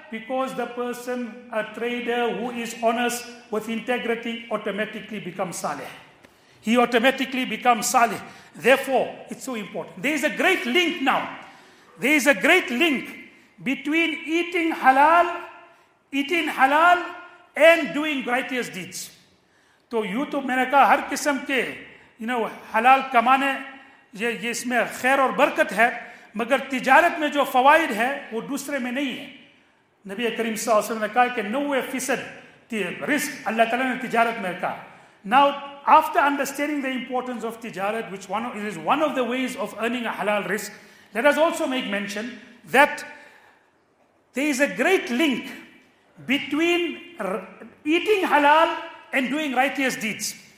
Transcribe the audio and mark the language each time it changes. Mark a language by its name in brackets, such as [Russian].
[English] Because the person, a trader who is honest with integrity, automatically becomes salih. He automatically becomes salih. Therefore, it's so important. There is a great link now. There is a great link between eating halal and doing righteous deeds. [Urdu] تو یوں تو میں نے کہا ہر قسم کے حلال کمانے یہ اس میں خیر اور برکت ہے، مگر تجارت میں جو فوائد ہے وہ دوسرے میں نہیں ہے. نبی کریم صلی اللہ علیہ وسلم نے کہا کہ 90% رزق اللہ تعالیٰ نے تجارت میں کہا. [English] Now, after understanding the importance of tijarat, which is one of the ways of earning a halal rizq, let us also make mention that there is a great link between eating halal and doing righteous deeds.